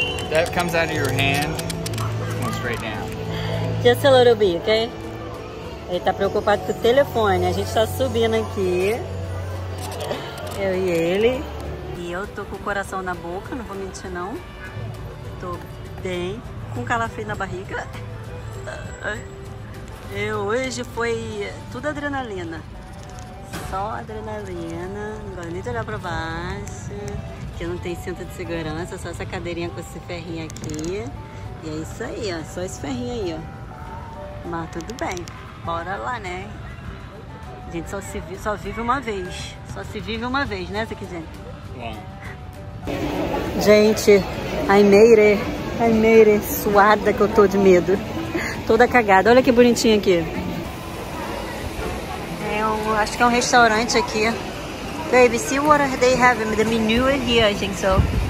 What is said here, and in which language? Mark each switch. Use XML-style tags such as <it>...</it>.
<en>That comes out of your hand, going straight down. Just a little bit, okay?</en> <pt>Ele tá preocupado com o telefone. A gente tá subindo aqui. Eu e ele. E eu tô com o coração na boca, não vou mentir não. Tô bem. Com calafrio na barriga. Eu hoje foi tudo adrenalina. Só adrenalina. Não gosto nem de olhar pra baixo. Que não tem cinto de segurança, só essa cadeirinha com esse ferrinho aqui. E é isso aí, ó. Só esse ferrinho aí, ó. Mas tudo bem. Bora lá, né? A gente só vive uma vez. Só se vive uma vez, né, Zack e Jane? Gente,</pt> <en>I made it,</en> <pt>suada que eu tô de medo. Toda cagada. Olha que bonitinho aqui. Acho que é um restaurante aqui.</pt> <en>Baby, see what they have, the menu is here, I think so.</en>